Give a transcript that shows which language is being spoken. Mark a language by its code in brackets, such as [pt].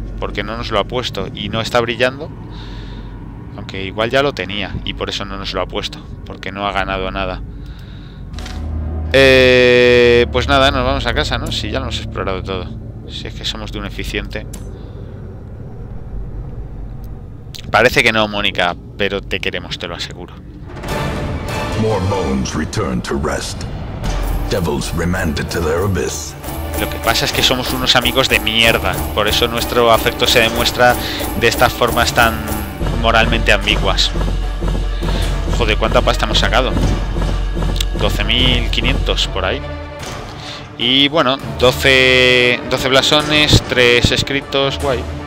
[es] porque no nos lo ha puesto y no está brillando, aunque igual ya lo tenía y por eso no nos lo ha puesto, porque no ha ganado nada. Pues nada, nos vamos a casa, ¿no? Si ya lo hemos explorado todo, si es que somos de un eficiente. Parece que no, Mónica, pero te queremos, te lo aseguro. [en] More bones return to rest. Devils remanded to their abyss. [es] Lo que pasa es que somos unos amigos de mierda, por eso nuestro afecto se demuestra de estas formas tan moralmente ambiguas. Joder, ¿cuánta pasta hemos sacado? 12.500 por ahí. Y bueno, 12 blasones, 3 escritos, guay.